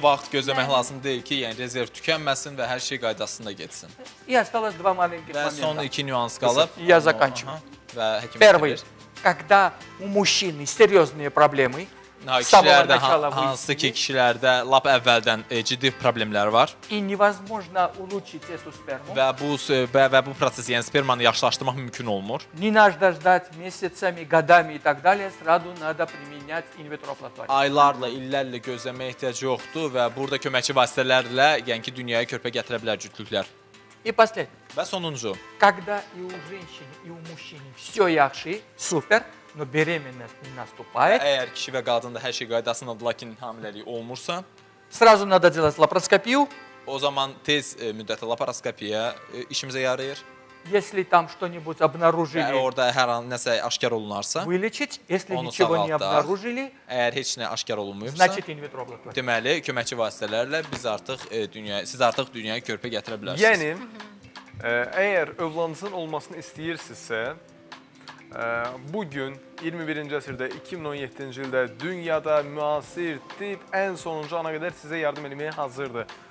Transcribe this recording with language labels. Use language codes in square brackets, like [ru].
[az] Çox vaxt gözləmək lazım deyil ki, yəni rezerv tükənməsin və hər şey qaydasında getsin. [ru] И осталось два маленьких момента. [az] Və son iki nüans qalıb. [ru] Я заканчиваю. Первый, когда у мужчины серьезные проблемы, [az] Kişilərdə, hansı ki, kişilərdə lap əvvəldən ciddi problemlər var və bu, və bu proses, yəni spermanı yaxşılaşdırmaq mümkün olmur. Aylarla, illərlə gözləmək ehtiyac yoxdur və burada köməkçi vasitələrlə, yəni ki, dünyaya körpə gətirə bilər cütlüklər. [ru] И последний. [az] Və sonuncu. [ru] Когда и у женщин, и у мужчин все яхши, супер, но беременность не наступает. [az] Əgər kişi və qadında hər şey qaydasındadır, lakin hamiləlik olmursa. [ru] Сразу надо делать лапароскопию. [az] O zaman tez müddətə лапароскопия işimizə yarayır. [ru] Если там что-нибудь обнаружили. [az] Əgər orada hər an nəsə aşkar olunarsa. [ru] Вылечить, если ничего не обнаружили. [az] Əgər heç nə aşkar olunmuyubsa. [ru] Значит, in vitro блок. [az] Deməli, köməkçi vasitələrlə biz artıq siz artıq dünyaya körpə gətirə bilərsiniz. Yəni əgər övladınızın olmasını istəyirsinizsə, bu gün 21-ci əsrdə 2017-ci ildə dünyada müasir tip ən sonuncu ana qədər sizə yardım etməyə hazırdır.